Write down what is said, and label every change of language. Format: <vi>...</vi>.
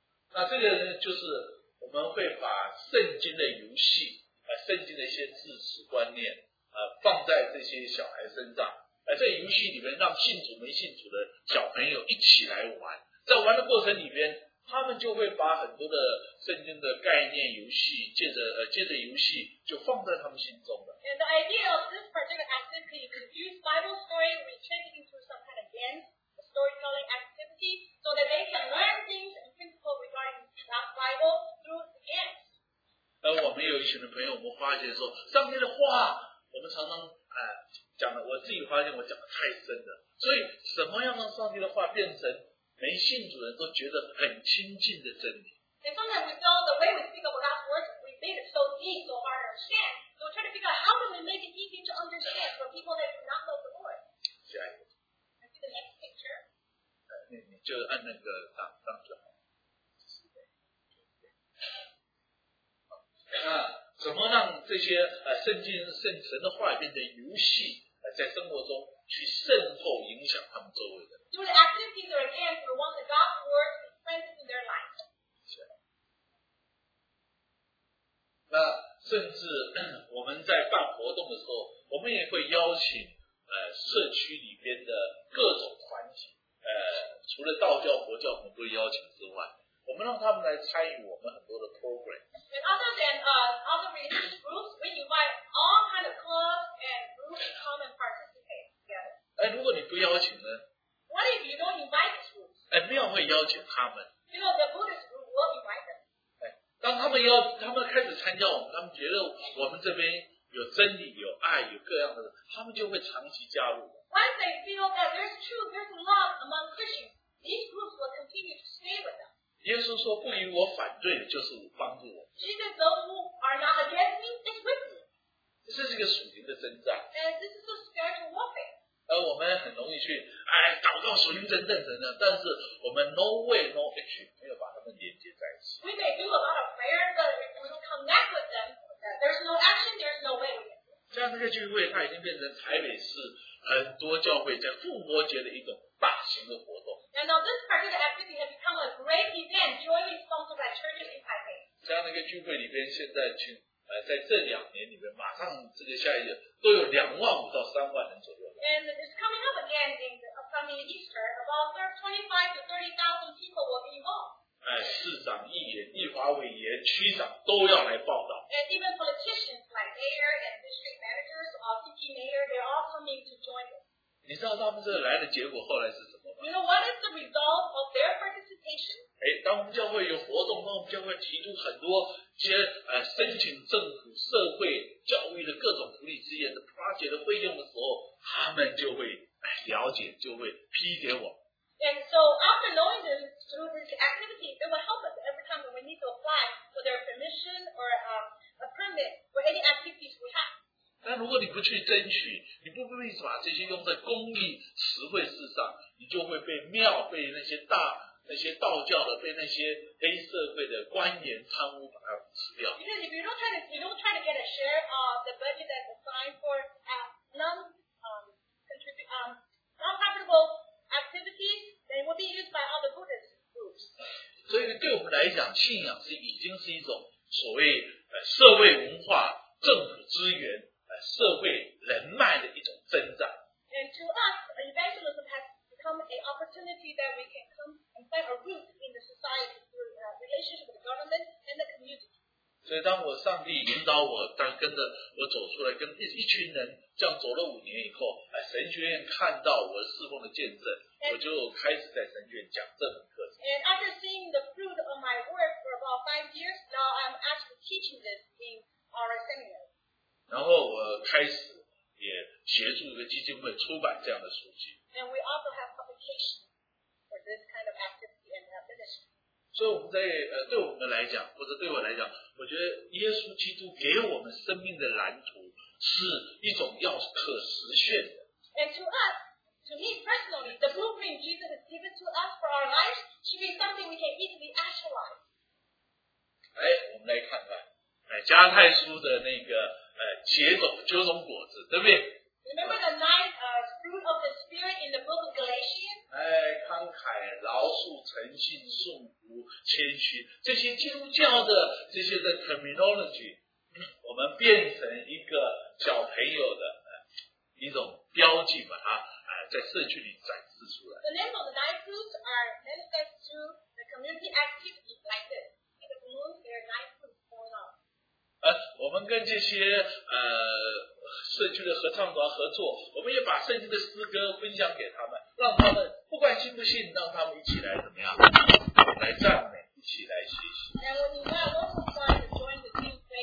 <zh>那这个呢，就是我们会把圣经的游戏，圣经的一些知识观念，放在这些小孩身上，这个游戏里面让信主没信主的小朋友一起来玩，在玩的过程里边。他们就会把很多的圣经的概念游戏借着游戏就放在他们心中了。</zh> <en>And the idea of this particular activity is to use Bible story, retrain it into some kind of game, storytelling activity, so that they can learn things and principles regarding that Bible through the games.</en> <zh>我们有一群的朋友，我们发现说，上帝的话，我们常常讲的，我自己发现我讲的太深了，所以什么样让上帝的话变成？没信主人都觉得很亲近的真理。</zh> <en>And sometimes we feel the way we speak about God's word, we made it so deep, so hard to understand. So we try to figure out how can we make it easy to understand for people that do not know the Lord.</en> <zh>下一个。</zh> <en>I see the next picture.</en> <zh>你就按那个当就好。那怎么让这些圣经圣神的话变成游戏，在生活中去渗透影响他们周围的？</zh> <en>Through the activities that are again, we want the God's word to be planted in their life.</en> <zh>那甚至我们在办活动的时候，我们也会邀请社区里边的各种团体，除了道教、佛教我们都邀请之外，我们让他们来参与我们很多的 program。</zh> <en>And other than other religious groups, we invite all kind of clubs and groups to come and participate together.</en> <zh>如果你不邀请呢</zh> <en>？What if you don't invite these groups？</en> <zh>庙会邀请他们。</zh> <en>You know, the Buddhist group will invite them.</en> <zh>当他们要他们开始参加我们，他们觉得我们这边有真理、有爱、有各样的，他们就会长期加入。</zh> <en>Once they feel that there's truth, there's love among Christians, these groups will continue to stay with them.</en> <zh>耶稣说：“不与我反对的，就是帮助我。”</zh> <en>Jesus, those who are not against me, is with me.</en> <zh>这是一个属灵的征战。</zh> <en>And this is a spiritual warfare.</en> <zh>我们很容易去祷告属灵征战等等，但是我们</zh> <en>no way no action</en> <zh>没有把他们连接在一起。</zh> <en>We may do a lot of prayer, but if we don't connect with them. There's no action, there's no way.</en> <zh>这样这个聚会它已经变成台北市很多教会在复活节的一种大型的活动。</zh> <en>And now this particular activity has become a great event jointly sponsored by churches in Taipei.</en> <zh>这样的一个聚会里边现在在这两年里面马上这个下一届都有25,000-30,000人左右。</zh> <en>And it's coming up again in the upcoming Easter, about 25,000-30,000 people will be involved.</en> <zh>市长、议员、立法委员、区长都要来报道。</zh> <en>And even politicians like mayor and district managers or city mayor, they're all coming to join us.</en> <zh>你知道他们这来的结果后来是什么吗</zh> <en>？You know what is the result of their participation?</en> <zh>当我们教会有活动，当我们教会提出很多申请政府、社会、教育的各种福利资源的 project 的费用的时候，他们就会了解，就会批给我。</zh> <en>And so after knowing them through this activity, it will help us every time when we need to apply for their permission or a permit for any activities we have.</en> <zh>但如果你不去争取，你不必把这些用在公益慈惠事上，你就会被庙、被那些大、那些道教的、被那些黑社会的官员贪污把它吃掉。</zh> <en>Because if you don't try to get a share of the budget that's assigned for non-profitable. activities, they will be used by other Buddhist groups.</en> <zh>所以对我们来讲，信仰是已经是一种所谓社会文化、政府资源、社会人脉的一种增长。</zh> <en>And to us, evangelism has become an opportunity that we can come and find a root in the society through relationship with the government and the community.</en> <zh>所以当我上帝引导我，当跟着我走出来，跟一群人。这样走了五年以后，神学院看到我侍奉的见证，</zh> <en>and,</en> <zh>我就开始在神学院讲这门课程。</zh> <en>And after seeing the fruit of my work for about 5 years, now I'm actually teaching this in our seminary.</en> <zh>然后我开始也协助一个基金会出版这样的书籍。</zh> <en>And we also have publication for this kind of activity and ministry.</en> <zh>所以我们在对我们来讲，或者对我来讲，我觉得耶稣基督给我们生命的蓝图。是一种要可实现的。</zh> <en>And to us, to me personally, the blueprint Jesus has given to us for our lives should be something we can easily actualize.</en> <zh>我们来看看，加太书的那个九种果子，对不对</zh> <en>？Remember the nine fruit of the spirit in the book of Galatians?</en> <zh>慷慨、饶恕、诚信、顺服、谦虚，这些基督教的这些的 terminology。我们变成一个小朋友的一种标记，把它在社区里展示出来。</zh> <en>The name of the nine fruits are manifest through the community activities like this. It moves their nine fruits going on.</en> <zh>我们跟这些社区的合唱团合作，我们也把圣经的诗歌分享给他们，让他们不管信不信，让他们一起来怎么样，来赞美，一起来学习。</zh> <en>And we invite all to join the team.</en>